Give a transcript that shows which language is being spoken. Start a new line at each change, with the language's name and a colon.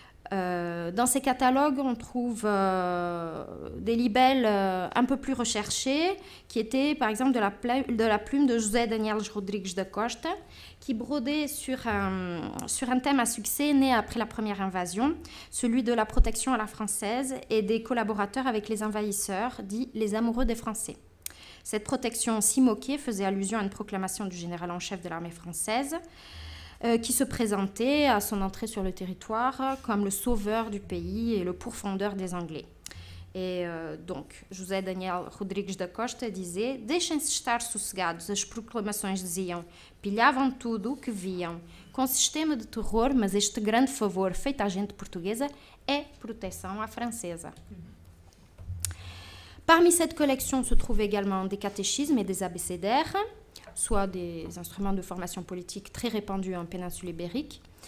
French: Dans ces catalogues, on trouve des libelles un peu plus recherchées, qui étaient par exemple de la plume de José Daniel Rodrigues da Costa, qui brodait sur un thème à succès né après la première invasion, celui de la protection à la française et des collaborateurs avec les envahisseurs, dits les amoureux des Français. Cette protection si moquée faisait allusion à une proclamation du général en chef de l'armée française, qui se présentait à son entrée sur le territoire comme le sauveur du pays et le pourfendeur des Anglais. Et donc, José Daniel Rodrigues da Costa disait
Portuguese: « Deixem-se estar sossegados, as proclamações diziam, pilhavam tudo o que viam. Com sistema de terror, mas este grande favor feito à gente portuguesa é proteção à francesa.
French: » Parmi cette collection se trouvent également des catéchismes et des abécédaires, soit des instruments de formation politique très répandus en péninsule ibérique.